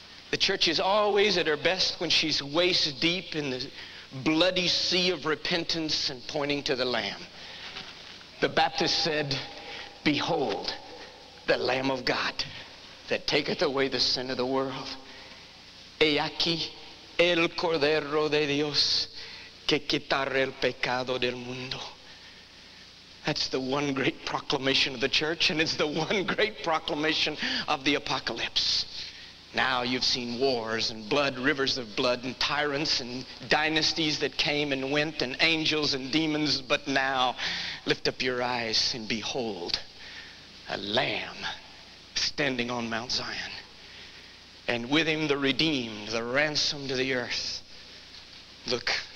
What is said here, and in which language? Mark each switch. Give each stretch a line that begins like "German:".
English: The church is always at her best when she's waist deep in the bloody sea of repentance and pointing to the lamb. The Baptist said, behold, the Lamb of God that taketh away the sin of the world.
Spanish: He aquí el Cordero de Dios que quitar el pecado del mundo.
English: That's the one great proclamation of the church, and it's the one great proclamation of the apocalypse. Now you've seen wars and blood, rivers of blood, and tyrants and dynasties that came and went, and angels and demons, but now lift up your eyes and behold a lamb standing on Mount Zion, and with him the redeemed, the ransomed of the earth. Look,